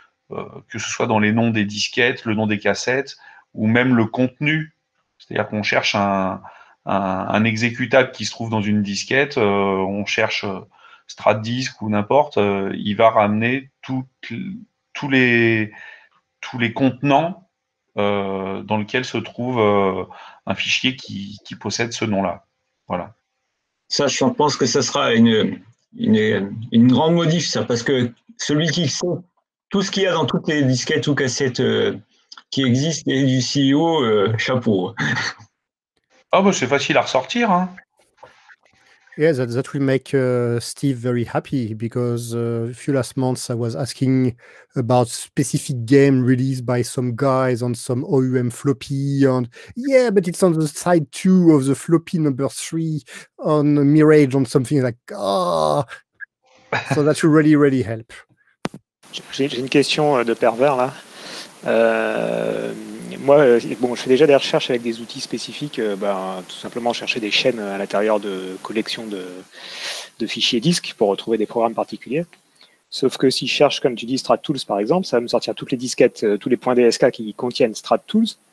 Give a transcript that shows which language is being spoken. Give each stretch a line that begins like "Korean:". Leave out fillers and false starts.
French: que ce soit dans les noms des disquettes, le nom des cassettes ou même le contenu, c'est-à-dire qu'on cherche un exécutable qui se trouve dans une disquette, on cherche Strat Disk ou n'importe, il va ramener tous les contenants dans lesquels se trouve un fichier qui possède ce nom-là. Voilà. Ça, je pense que ça sera une grande modif, ça, parce que celui qui sait tout ce qu'il y a dans toutes les disquettes ou cassettes qui existent et du CEO, chapeau. C'est facile à ressortir. Hein.
English: Yeah, that will make Steve very happy because a few last months I was asking about specific game released by some guys on some OUM floppy and yeah, but it's on the side 2 of the floppy number 3 on Mirage on something like So that should really, really help.
French: J'ai une question de pervers là. Je fais déjà des recherches avec des outils spécifiques, tout simplement chercher des chaînes à l'intérieur de collections de fichiers disques pour retrouver des programmes particuliers. Sauf que si je cherche, comme tu dis, Strat Tools par exemple, ça va me sortir toutes les disquettes, tous les points DSK qui contiennent Strat Tools.